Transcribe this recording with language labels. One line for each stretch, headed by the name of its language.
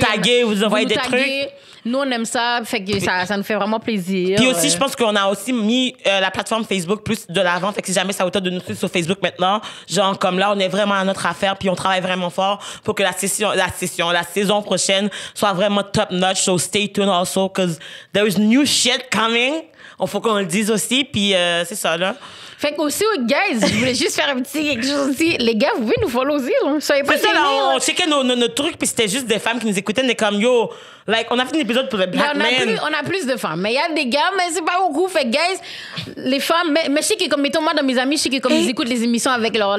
French: Vous taguez, vous envoyez des trucs. Nous, on aime ça, fait que ça nous fait vraiment plaisir. Puis aussi, je pense qu'on a aussi mis la plateforme Facebook plus de l'avant. Fait que si jamais ça vous tente de nous suivre sur Facebook maintenant, genre comme là, on est vraiment à notre affaire, puis on travaille vraiment fort pour que la saison prochaine soit vraiment top notch.
English: So stay tuned also, because there is new shit coming.
French: On faut qu'on le dise aussi, puis c'est ça là. Fait que aussi, guys, je voulais juste faire un petit quelque chose aussi. Les gars, vous pouvez nous follow aussi, hein? Soyez pas gênés. C'est ça, là, on checkait nos trucs, puis c'était juste des femmes qui nous écoutaient, mais comme, yo, like, on a fait un épisode pour les black men. On a plus de femmes, mais il y a des gars, mais c'est pas beaucoup. Fait que, guys, les femmes, mais je sais que, comme, mettons, moi, dans mes amis, je sais que, comme, ils écoutent les émissions avec leur